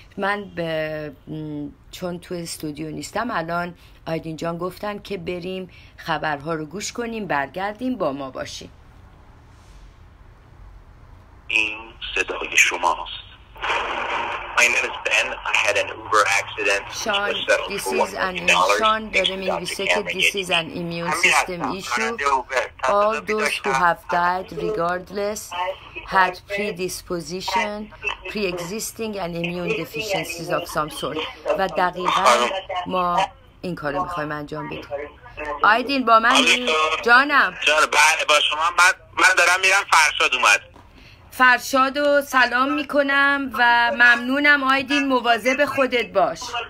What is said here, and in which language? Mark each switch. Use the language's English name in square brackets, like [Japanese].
[Persian] من چون تو استودیو نیستم الان، آیدین جان گفتن که بریم خبرها رو گوش کنیم، برگردیم، با ما باشیم. این صدای شماست. [English] My name is Ben. I had an Uber accident. Sean, this is an Sean. [Persian] داره میگه که [English] this is an immune system issue. All those who have died regardless had predisposition, pre-existing and immune deficiencies of some sort. [Persian] و دقیقا ما این کارو میخوایم انجام بدیم. آیدین با من جانم. با شما من دارم میرم. فرشاد اومد. فرشاد رو سلام میکنم و ممنونم آیدین، مواظب خودت باش.